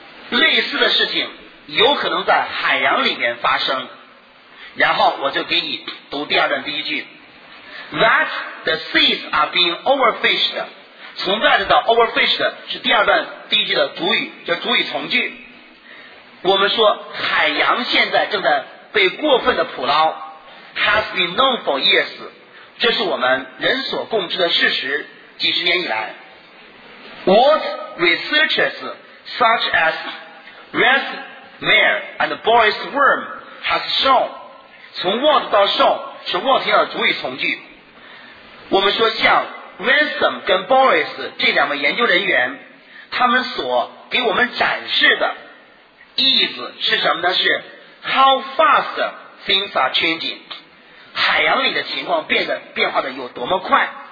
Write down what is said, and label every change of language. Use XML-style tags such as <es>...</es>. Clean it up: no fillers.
<zh>类似的事情有可能在海洋里面发生，然后我就给你读第二段第一句</zh> <en>that the seas are being overfished，</en> <zh>从 that 到 overfished 是第二段第一句的主语，叫主语从句。我们说海洋现在正在被过分的捕捞，</zh> <en>has been known for years，</en> <zh>这是我们人所共知的事实，几十年以来。</zh> <en>What researchers such as Rex Mayer and Boris Worm has shown，</en> <zh>从</zh> <en>what</en> <zh>到</zh> <en>show</en> <zh>是 what 要的主语从句。我们说像 Ransom 跟 Boris 这两位研究人员，他们所给我们展示的意思是什么呢？是</zh> <en>How fast things are changing，</en> <zh>海洋里的情况变化的有多么快。</zh>